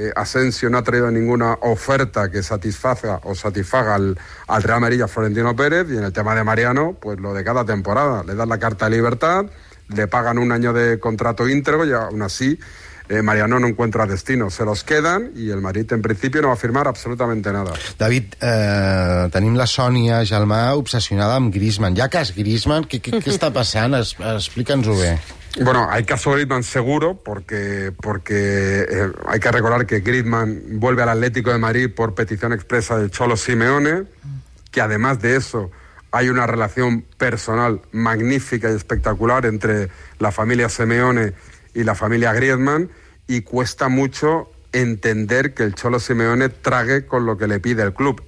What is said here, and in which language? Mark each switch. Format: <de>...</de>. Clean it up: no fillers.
<es>Asensio no ha traído ninguna oferta que satisfaga al Real Madrid y a Florentino Pérez, y en el tema de Mariano, pues lo de cada temporada, le dan la carta de libertad, le pagan un año de contrato íntegro y aún así Mariano no encuentra destino. Se los quedan y el Madrid en principio no va a firmar absolutamente nada.</es> <ca>David, tenim la Sònia Gelmà obsessionada amb Griezmann. Ja que és Griezmann, què està passant? Explica'ns-ho bé.</ca> <es>Bueno, hay caso Griezmann seguro porque hay que recordar que Griezmann vuelve al Atlético de Madrid por petición expresa del Cholo Simeone, que además de eso hay una relación personal magnífica y espectacular entre la familia Simeone y la familia Griezmann, y cuesta mucho entender que el Cholo Simeone trague con lo que le pide el club.</es>